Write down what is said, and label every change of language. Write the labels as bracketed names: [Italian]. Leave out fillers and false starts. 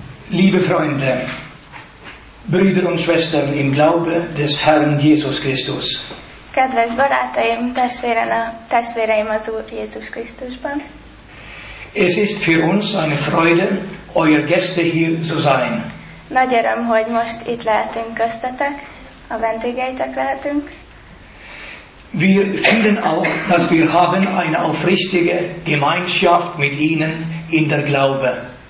[German] Liebe Freunde, Brüder und Schwestern im Glaube des Herrn Jesus Christus. [Hungarian] Kedves barátaim, testvéreim az Úr Jézus Krisztusban. [German] Es ist für uns eine Freude, euer Gäste hier zu sein. [Hungarian] Nagy öröm, hogy most itt lehetünk köztetek, a vendégeitek lehetünk. [German] Wir finden auch, dass wir haben eine aufrichtige Gemeinschaft mit Ihnen in der Glaube.